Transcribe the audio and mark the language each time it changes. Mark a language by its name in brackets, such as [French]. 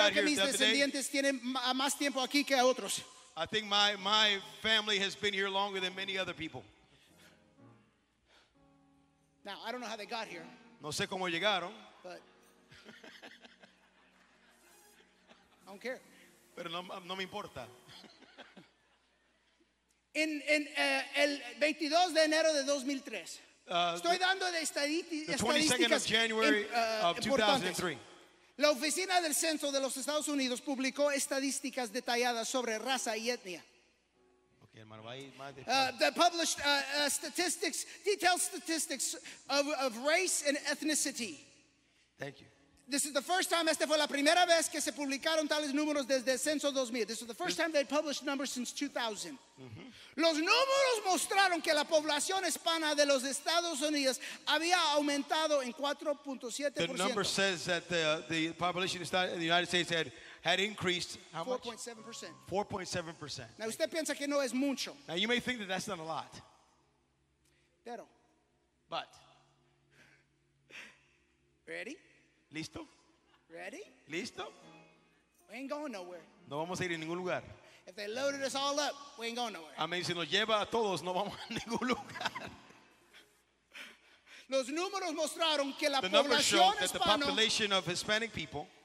[Spanish] Yo creo que mis descendientes tienen más tiempo aquí que otros. [English] I think my family has been here longer than many other people. Now, I don't know how they got here. [Spanish] No sé cómo llegaron. [English] But I don't care. [Spanish] Pero no me importa. El 22 de enero de 2003. Estoy dando de estadísticas. [English] The 22nd of January of 2003. [Spanish] La oficina del censo de los Estados Unidos publicó estadísticas detalladas sobre raza y etnia. Okay, hermano, ahí más de. [English] They published statistics, detailed statistics of race and ethnicity. Thank you. This is the first time, [Spanish] esta fue la primera vez que se publicaron tales números desde el censo 2000. [English] This is the first time they published numbers since 2000. Mm-hmm. [Spanish] Los números mostraron que la población hispana de los Estados Unidos había aumentado en 4.7%. [English] The number says that the population in the United States had increased 4.7%. 4.7%. [Spanish] Now, usted piensa que no es mucho. [English] Now, you may think that that's not a lot. [Spanish] Pero. [English] But. Ready? [Spanish] Listo. [English] Ready? [Spanish] Listo. [English] We ain't going nowhere. [Spanish] No vamos a ir en ningún lugar. [English] If they loaded us all up, we ain't going nowhere. [Spanish] A mí si nos lleva a todos, no vamos a ningún lugar. Los números mostraron que la población hispana. [English] The numbers show that the population of Hispanic people